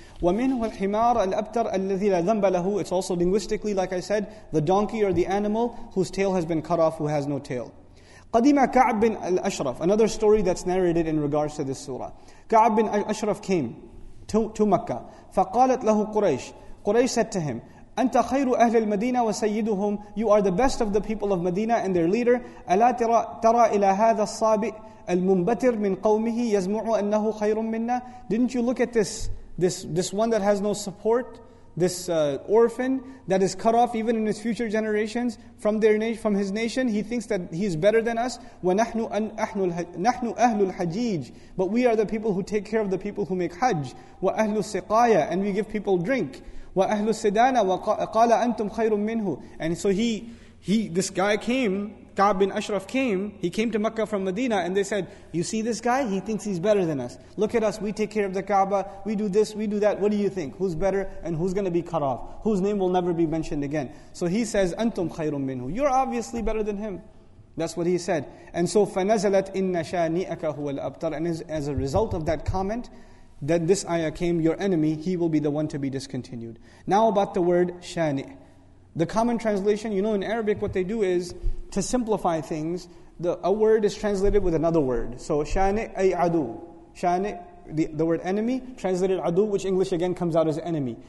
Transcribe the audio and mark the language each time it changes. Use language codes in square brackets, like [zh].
[ar] وَمِنْهُ الْحِمَارَ الْأَبْتَرَ الَّذِي لَا ذَنْبَ لَهُ. [en] It's also linguistically, like I said, the donkey or the animal whose tail has been cut off, who has no tail. [ar] قَدِمَ كَعْب بِنْ الْأَشْرَفْ. [en] Another story that's narrated in regards to this surah. كَعْب بِنْ أَشْرَفْ came to Mecca. [ar] فَقَالَتْ لَهُ قُرَيْشْ. [en] Quraysh said to him, [ar] أَنْتَ خَيْرُ أَهْلِ الْمَدِينَةِ وَسَيِّدُهُمْ. [en] You are the best of the people of Medina and their leader. [ar] أَلَا تَرَى إِلَى هَذَا الصَّابِئِ الْمُنْبَتِرْ مِنْ قَوْمِهِ يَزْمُعُ أَنَّهُ خَيْرٌ مِنَّا. [en] Didn't you look at this one that has no support, this orphan that is cut off even in his future generations from their nation, from his nation, he thinks that he is better than us. [ar] وَنَحْنُ أَهْلُ الْحَجِيجِ. [en] But we are the people who take care of the people who make hajj. [ar] وَأَهْلُ السِّقَايَ. [en] And we give people drink. [ar] وَأَهْلُ السِّدَانَ. وَقَالَ أَنْتُمْ خَيْرٌ مِّنْهُ. [en] And so this guy came Ka'b bin Ashraf came, he came to Mecca from Medina, and they said, you see this guy? He thinks he's better than us. Look at us, we take care of the Kaaba, we do this, we do that. What do you think? Who's better and who's going to be cut off? Whose name will never be mentioned again? So he says, [ar] Antum khayrun minhu. [en] You're obviously better than him. That's what he said. And so, [ar] فَنَزَلَتْ إِنَّ شَانِئَكَ هُوَ الْأَبْطَرِ. [en] And as a result of that comment, that this ayah came, your enemy, he will be the one to be discontinued. Now about the word shani. The common translation, you know, in Arabic what they do is, to simplify things, a word is translated with another word. So shani ay adu. Shani, the word enemy, translated adu, which English again comes out as enemy.